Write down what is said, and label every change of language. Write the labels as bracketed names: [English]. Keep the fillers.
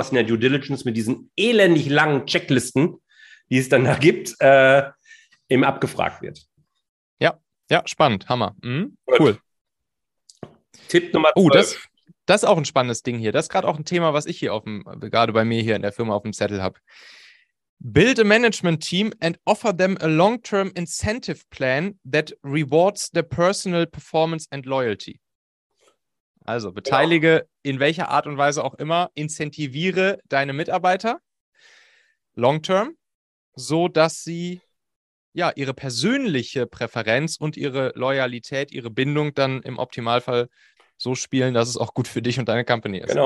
[German] was in der Due Diligence mit diesen elendig langen Checklisten, die es dann da gibt, äh, eben abgefragt wird. Ja, spannend. Hammer. Mhm. Gut. Cool. Tipp Nummer Oh, 12. das, das ist auch ein spannendes Ding hier. Das ist gerade auch ein Thema, was ich hier auf dem, gerade bei mir hier in der Firma auf dem Zettel habe. [English] Build a management team and offer them a long-term incentive plan that rewards their personal performance and loyalty. [German] Also beteilige in welcher Art und Weise auch immer, incentiviere deine Mitarbeiter long-term, so dass sie ja ihre persönliche Präferenz und ihre Loyalität, ihre Bindung dann im Optimalfall so spielen, dass es auch gut für dich und deine Company ist.